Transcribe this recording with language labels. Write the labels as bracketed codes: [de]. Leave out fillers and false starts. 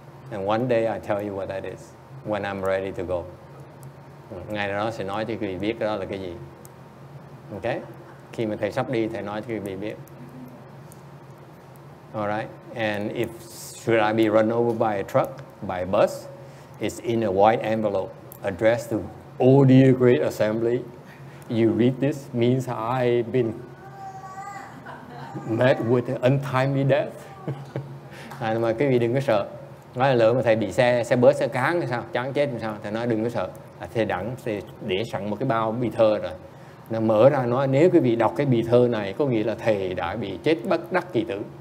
[en] And one day I tell you what that is, when I'm ready to go. [vi] Ngày đó sẽ nói cho quý vị biết đó là cái gì. Okay? Khi mà thầy sắp đi, thầy nói cho quý vị biết. [en] All right? And if, should I be run over by a truck, by a bus, it's in a white envelope, addressed to all the great assembly. You read this, means I've been met with an untimely death. [vi] Mà quý vị đừng có sợ. Nói là lỡ mà thầy bị xe bớt, xe cán thì sao? Chán chết thì sao? Thầy nói đừng có sợ. Thầy đẳng, thầy để sẵn một cái bao bì thơ rồi. Nó mở ra nói, nếu quý vị đọc cái bì thơ này, có nghĩa là thầy đã bị chết bất đắc kỳ tử.